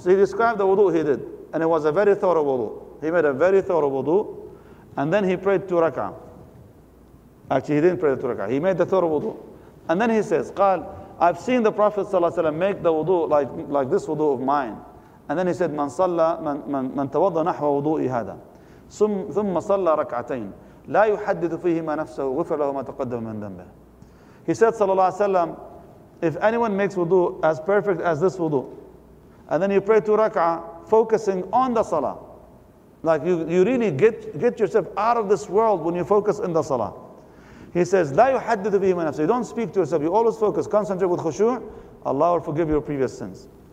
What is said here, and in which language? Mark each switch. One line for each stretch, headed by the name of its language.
English: So he described the wudu he did. And it was a very thorough wudu. He made a very thorough wudu. And then he prayed two rak'ah. Actually, he didn't pray two rak'ah. He made the thorough wudu. And then he says, قال I've seen the Prophet ﷺ make the wudu like this wudu of mine. And then he said,
Arabic: من صلى من توضأ نحو وضوئي هذا ثم صلى ركعتين لا يحدث فيهما نفسه غفر له ما تقدم من ذنبه.
English: He said, sallallahu alayhi wa sallam, if anyone makes wudu as perfect as this wudu, and then you pray two rak'ah, focusing on the salah, like you really get yourself out of this world when you focus in the salah. He says, la yuhadithu bihima nafsi. You don't speak to yourself, you always focus, concentrate with khushu', Allah will forgive your previous sins.